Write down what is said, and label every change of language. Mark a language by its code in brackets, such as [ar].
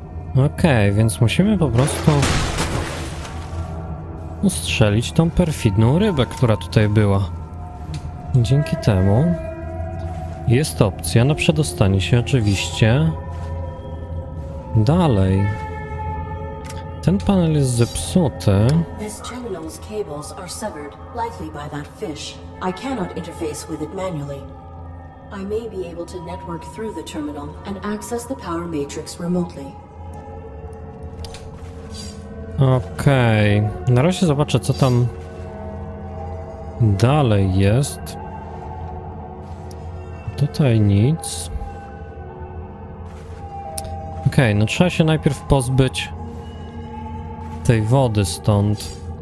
[pl] Okej, okay, więc musimy po prostu ustrzelić tą perfidną rybę, która tutaj była. Dzięki temu jest opcja na przedostanie się oczywiście dalej. Ten panel jest zepsuty. [en] Cables are severed, likely by that fish. I cannot interface with it manually. I may be able to network through the terminal and access the power matrix remotely. [pl] Okej. Na razie zobaczę, co tam dalej jest. Tutaj nic. Okej, no trzeba się najpierw pozbyć tej wody stąd.